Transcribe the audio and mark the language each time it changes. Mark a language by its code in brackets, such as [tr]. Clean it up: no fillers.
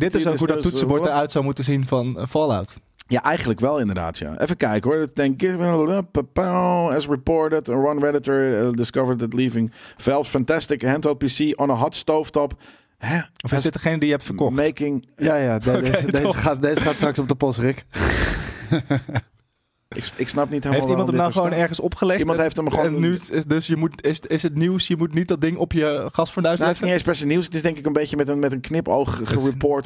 [nl] Maar dit is ook hoe dat toetsenbord eruit zou moeten zien van Fallout. Ja, eigenlijk wel inderdaad, ja. Even kijken hoor. [en] Thank you. As reported, a run redditor discovered that leaving Valve's fantastic handheld PC on a hot stovetop... [nl] Of is dit degene die je hebt verkocht? [en] Making... [nl] Ja, deze gaat straks op de post, Rick. Ik snap niet helemaal. Heeft iemand hem nou gewoon ergens opgelegd? Iemand heeft hem gewoon. En nu, dus je moet, is het nieuws? Je moet niet dat ding op je gasfornuis leggen? Nou, het is niet eens per se nieuws. Het is denk ik een beetje met een knipoog gereport.